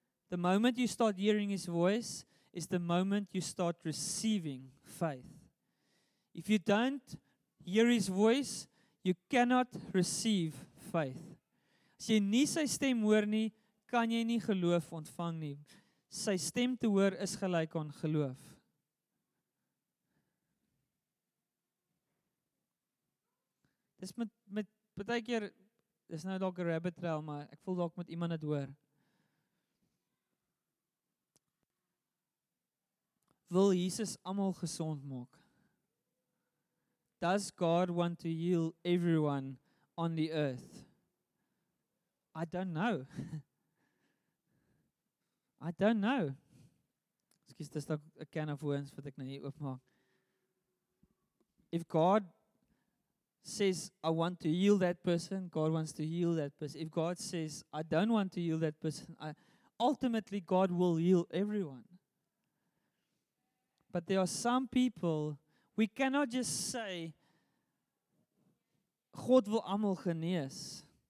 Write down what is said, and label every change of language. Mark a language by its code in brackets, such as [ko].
[en] The moment you start hearing his voice is the moment you start receiving faith. If you don't hear his voice, you cannot receive faith. [af] As jy nie sy stem hoor nie, kan jy nie geloof ontvang nie. Sy stem te hoor is gelyk aan geloof. Dis met baie keer, dis nou dalk 'n [en] rabbit trail, [af] maar ek voel dalk met iemand dit hoor. Wil Jesus almal gesond maak? [en] Does God want to heal everyone on the earth? I don't know. I don't know. [af] Excuse, dis dalk 'n [en] can of worms [af] wat ek nou hier oopmaak. [en] If God says, I want to heal that person, God wants to heal that person. If God says, I don't want to heal that person, ultimately God will heal everyone. But there are some people, we cannot just say, [af] God wil almal genees.